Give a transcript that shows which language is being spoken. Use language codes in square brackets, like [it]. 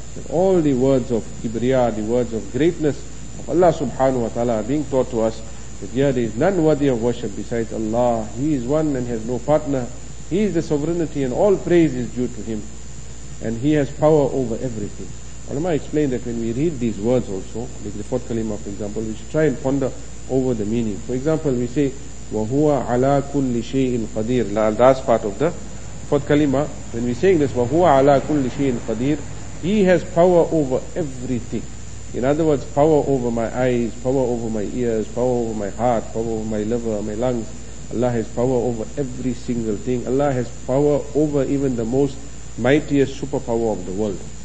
[en] That all the words of kibriya, the words of greatness of Allah subhanahu wa ta'ala being taught to us, that here there is none worthy of worship besides Allah. He is one and has no partner. He is the sovereignty and all praise is due to him. And he has power over everything. Ulama explained that when we read these words also, like the fourth kalima for example, we should try and ponder over the meaning. For example, we say, [ar] وَهُوَ عَلَىٰ كُلِّ شَيْءٍ قَدِيرٍ. [en] The last part of the fourth kalima, when we saying this, [ar] وَهُوَ عَلَىٰ كُلِّ شَيْءٍ قَدِيرٍ, [en] he has power over everything. In other words, power over my eyes, power over my ears, power over my heart, power over my liver, my lungs. Allah has power over every single thing. Allah has power over even the most mightiest superpower of the world.